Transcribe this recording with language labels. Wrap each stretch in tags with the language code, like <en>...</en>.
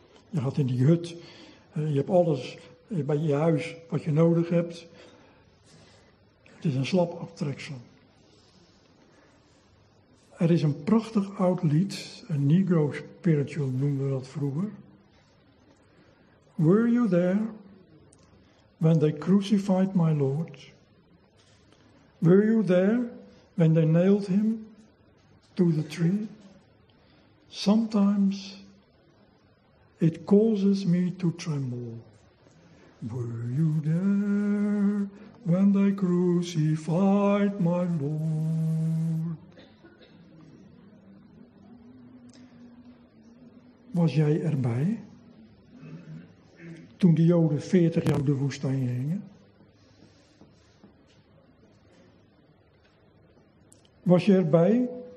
<nl>Je gaat in die hut, je hebt alles bij je huis wat je nodig hebt. Het is een slap aftreksel. Er is een prachtig oud lied, een Negro spiritual noemden we dat vroeger.</nl> <en>Were you there when they crucified my Lord? Were you there when they nailed him to the tree? Sometimes it causes me to tremble. Were you there when they crucified my Lord?</en> <nl>Was jij erbij toen de Joden 40 jaar de woestijn gingen? Was je erbij?</nl>